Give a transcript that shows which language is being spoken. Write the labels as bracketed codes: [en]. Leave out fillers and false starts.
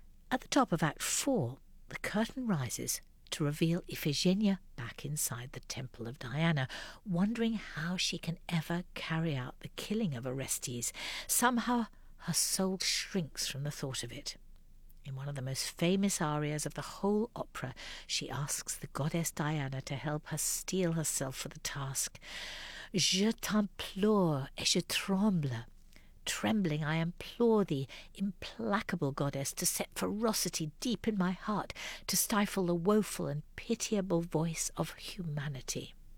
[en] At the top of Act Four, the curtain rises to reveal Iphigenia back inside the Temple of Diana, wondering how she can ever carry out the killing of Orestes. Somehow, her soul shrinks from the thought of it. In one of the most famous arias of the whole opera, she asks the goddess Diana to help her steel herself for the task. [fr] Je t'implore et je tremble. [en] Trembling, I implore thee, implacable goddess, to set ferocity deep in my heart, to stifle the woeful and pitiable voice of humanity.